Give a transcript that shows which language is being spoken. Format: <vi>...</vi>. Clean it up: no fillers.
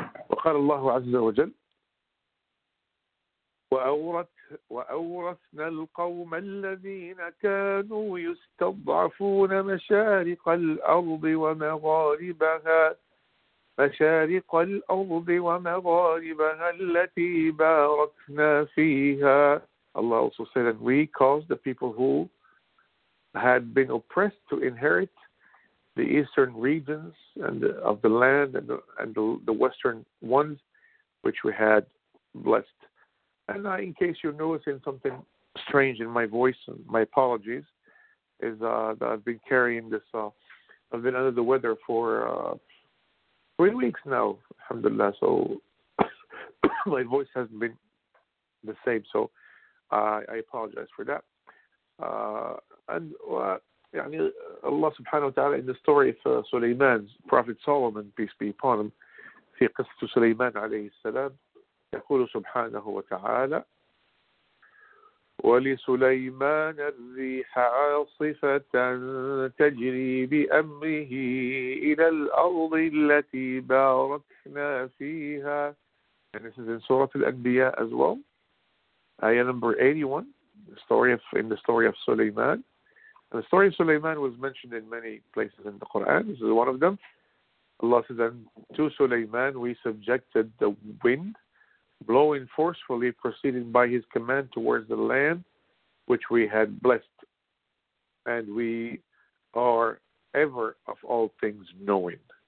<ar>وَقَالَ اللَّهُ عَزَّ وَجَلَّ وأورثنا القوم الذين كانوا يستضعفون مشارق الأرض ومغاربها التي باركنا فيها.</ar> <en>Allah also said that we caused the people who had been oppressed to inherit the eastern regions and of the land and the western ones which we had blessed. And I, in case you're noticing something strange in my voice, my apologies, is that I've been carrying this, I've been under the weather for 3 weeks now, alhamdulillah, so my voice hasn't been the same, so I apologize for that. Allah subhanahu wa ta'ala, in the story of Sulaiman, Prophet Solomon, peace be upon him,</en> <ar>في قصة سليمان عليه السلام, يقول سبحانه وتعالى ولسليمان الريح عاصفة تجري بأمره إلى الأرض التي باركنا فيها.</ar> <en>And this is in Surah Al-Anbiya as well, ayah number 81, the story of Sulaiman. And the story of Sulaiman was mentioned in many places in the Quran. This is one of them. Allah says, and to Sulaiman we subjected the wind blowing forcefully, proceeding by his command towards the land which we had blessed, and we are ever of all things knowing.</en>